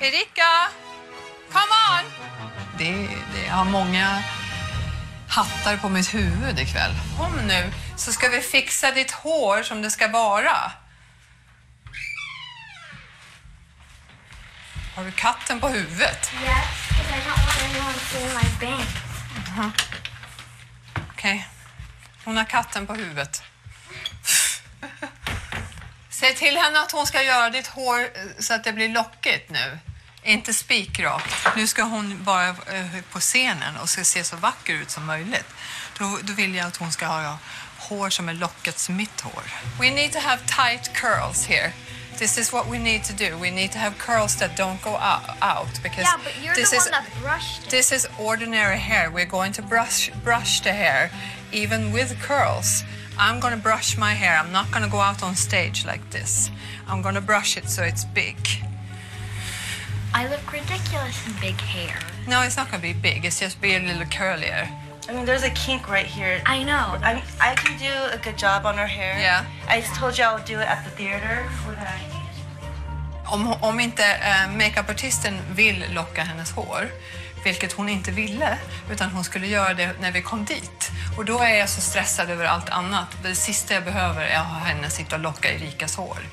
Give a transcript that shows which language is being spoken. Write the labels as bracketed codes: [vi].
[en] Erika! Come on! [sv] Det har många hattar på mitt huvud ikväll. Kom nu, så ska vi fixa ditt hår som det ska vara. Har du katten på huvudet? [en] Yes, because I don't want anyone to see my bank. [sv] Okej. Hon har katten på huvudet. Säg till henne att hon ska göra ditt hår så att det blir lockigt nu. Inte spikrakt. Nu ska hon vara på scenen och ska se så vacker ut som möjligt. Då vill jag att hon ska ha hår som är lockat som mitt hår. [en] We need to have tight curls here. This is what we need to do. We need to have curls that don't go out because yeah, but you're the one that brushed it. This is ordinary hair. We're going to brush the hair, even with curls. I'm going to brush my hair. I'm not going to go out on stage like this. I'm going to brush it so it's big. I look ridiculous in big hair. No, it's not going to be big. It's just be a little curlier. I mean, there's a kink right here. I know. I can do a good job on her hair. Yeah. I told you I would do it at the theater. [sv] Om inte makeupartisten vill locka hennes hår, vilket hon inte ville, utan hon skulle göra det när vi kom dit. Och då är jag så stressad över allt annat. Det sista jag behöver är att ha henne sitta och locka Erikas hår.